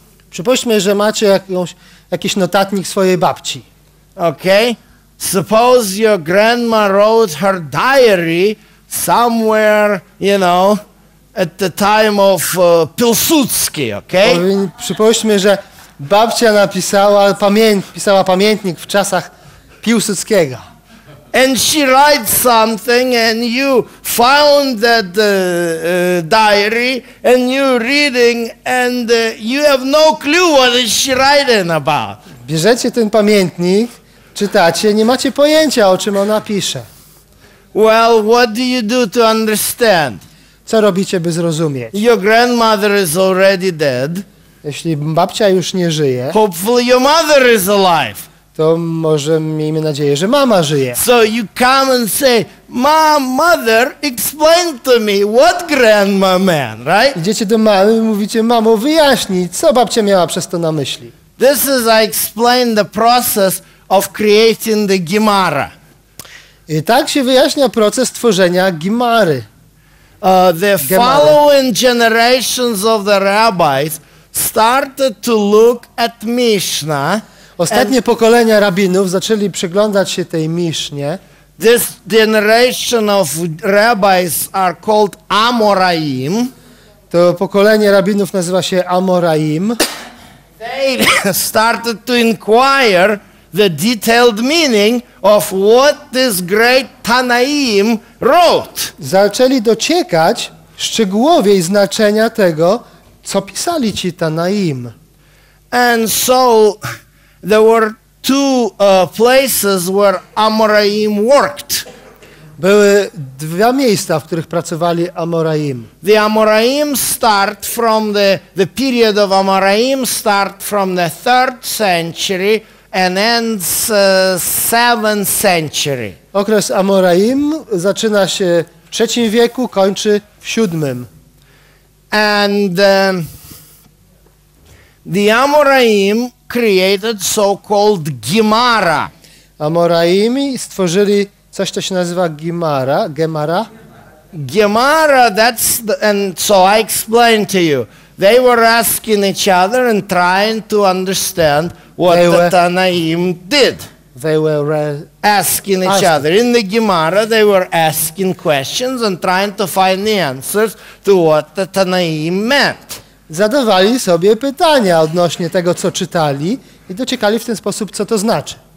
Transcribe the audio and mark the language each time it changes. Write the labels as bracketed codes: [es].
[pl] Przypuśćmy, że macie jakiś notatnik swojej babci. [en] Okay. Suppose your grandma wrote her diary somewhere, at the time of Pilsudski, okay? [pl] Przypuśćmy, że babcia pisała pamiętnik w czasach Piłsudskiego. [en] And she writes something and you found that diary and you're reading and you have no clue what is she writing about. [pl] Bierzecie ten pamiętnik, czytacie, nie macie pojęcia, o czym ona pisze. [en] Well, what do you do to understand? [pl] Co robicie, by zrozumieć? [en] Your grandmother is already dead. [pl] Jeśli babcia już nie żyje, [en] hopefully your mother is alive. [pl] To może miejmy nadzieję, że mama żyje. [en] So you come and say, mom, mother, explain to me what grandma meant, right? [pl] Idziecie do mamy i mówicie, mamo, wyjaśnij, co babcia miała przez to na myśli. [en] This is I explain the process of creating the Gemara. [pl] I tak się wyjaśnia proces tworzenia Gemary. [en] The following generations of the rabbis started to look at Mishnah. [pl] Ostatnie pokolenia rabinów zaczęli przyglądać się tej Misznie. [en] This generation of rabbis are called Amoraim. [pl] To pokolenie rabinów nazywa się Amoraim. [en] They started to inquire the detailed meaning of what this great Tanaim wrote. [pl] Zaczęli dociekać szczegółowej znaczenia tego, co pisali ci Tanaim. [en] And so there were two places where Amoraim worked. [pl] Były dwa miejsca, w których pracowali Amoraim. [en] The Amoraim start from the period of Amoraim start from the 3rd century and ends 7th century. [pl] Okres Amoraim zaczyna się w III wieku, kończy w VII. [en] And the Amoraim created so-called Gemara. [pl] Amoraimi stworzyli coś, co się nazywa Gemara. Gemara? [en] Gemara, that's the, and so I explained to you. They were asking each other and trying to understand what the Tanaim did. They were asking each other. In the Gemara, they were asking questions and trying to find the answers to what the Tanaim meant. [pl] Zadawali sobie pytania odnośnie tego, co czytali i dociekali w ten sposób, co to znaczy.